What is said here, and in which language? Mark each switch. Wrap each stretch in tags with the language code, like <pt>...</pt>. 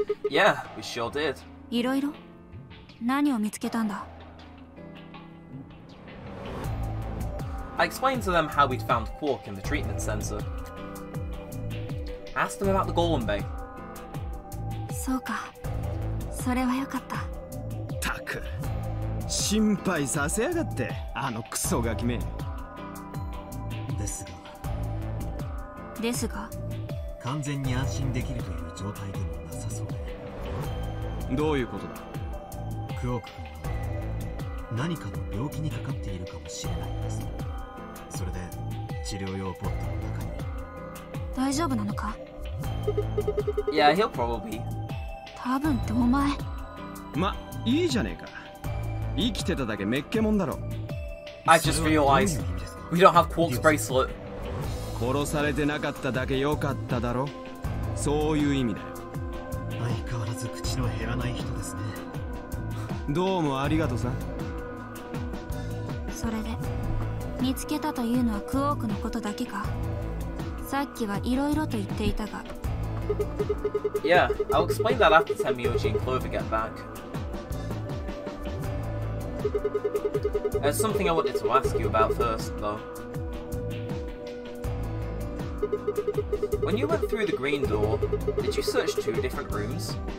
<en>Yeah, we sure did.</en> <ja>Iroiro? Nanio Mitsketanda.</ja> <en>I explained to them how we'd found Quark in the treatment center. Asked them about the Golem Bay.</en> <ja>そうか、それはよかった。たく、心配させやがって、あのクソガキめ。ですが。ですが。完全に安心できるという状態でもなさそうで。どういうことだ。クオーク君は何かの病気にかかっているかもしれないんです。それで治療用ポットの中に。大丈夫なのか。</ja> <en>Yeah, he'll probably.</en> <ja>多分ってお前。ま、いいじゃねえか。生きてただけめっけもんだろ。</ja> <en>I just realized we don't have quartz bracelet.</en> <ja>殺されてなかっただけよかっただろ。そういう意味だよ。相変わらず口の減らない人ですね。どうもありがとうさ。それで見つけたというのはクオークのことだけか。さっきはいろいろと言っていたが。</ja> <en>Yeah, I'll explain that after Temuji and Clover get back. There's something I wanted to ask you about first, though. When you went through the green door, did you search two different rooms?</en>